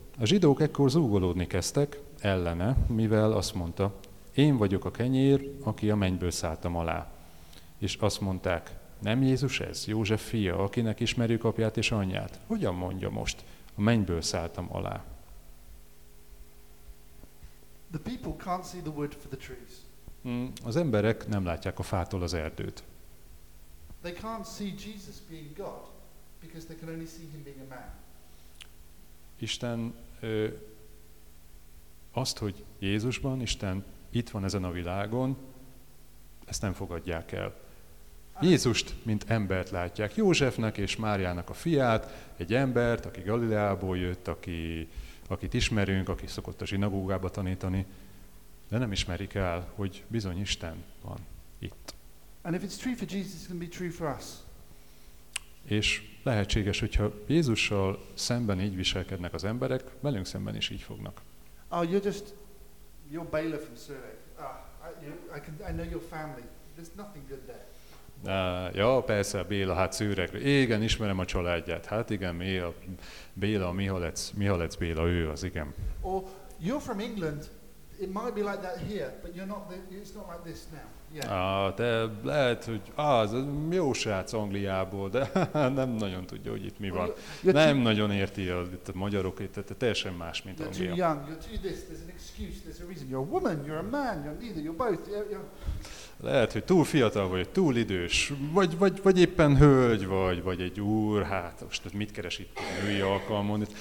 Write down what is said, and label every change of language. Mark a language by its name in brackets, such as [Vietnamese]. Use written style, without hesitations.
[Hungarian] A zsidók ekkor zúgolódni kezdtek ellene, mivel azt mondta, én vagyok a kenyér, aki a mennyből szálltam alá. És azt mondták, nem Jézus ez, József fia, akinek ismerjük apját és anyját? Hogyan mondja most? A mennyből szálltam alá. [English] The people can't see the wood for the trees. [Hungarian] Az emberek nem látják a fától az erdőt. [English] They can't see Jesus being God, because they can only see him being a man. [Hungarian] Isten azt, hogy Jézusban Isten itt van ezen a világon, ezt nem fogadják el. Jézust, mint embert látják, Józsefnek és Máriának a fiát, egy embert, aki Galileából jött, akit ismerünk, aki szokott a zsinagógába tanítani, de nem ismerik el, hogy bizony Isten van itt. [English] And if it's true for Jesus, it can be true for us. [Hungarian] És lehetséges, hogyha Jézussal szemben így viselkednek az emberek, velünk szemben is így fognak. [English] Oh, you're bailiff from Surrey. I know your family. There's nothing good there. [Hungarian] Ja, persze, Béla, hát Szőregre. Igen, ismerem a családját. Hát igen, Béla, Mihalec Béla, ő az, igen. [English] Or, you're from England, it might be like that here, but you're not, it's not like this now. Yeah. [Hungarian] Te lehet, hogy az jó srác Angliából, de nem nagyon tudja, hogy itt mi van. Nem nagyon érti itt a magyarok, itt teljesen más, mint [English] you're [Hungarian] Anglia. [English] You're too young, you're too this, there's an excuse, there's a reason. You're a woman, you're a man, you're neither, you're both. [Hungarian] Lehet, hogy túl fiatal vagy, túl idős, vagy éppen hölgy vagy egy úr, hát most mit keres itt a női alkalmon?